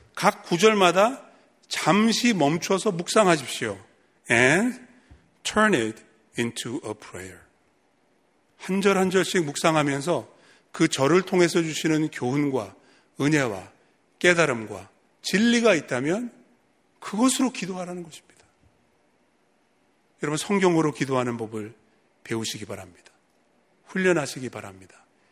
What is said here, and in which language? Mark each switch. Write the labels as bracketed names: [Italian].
[Korean] 각 구절마다 잠시 멈춰서 묵상하십시오. [English] And turn it into a prayer. [Korean] 한 절 한 절씩 묵상하면서 그 절을 통해서 주시는 교훈과 은혜와 깨달음과 진리가 있다면 그것으로 기도하라는 것입니다. 여러분, 성경으로 기도하는 법을 배우시기 바랍니다. 훈련하시기 바랍니다.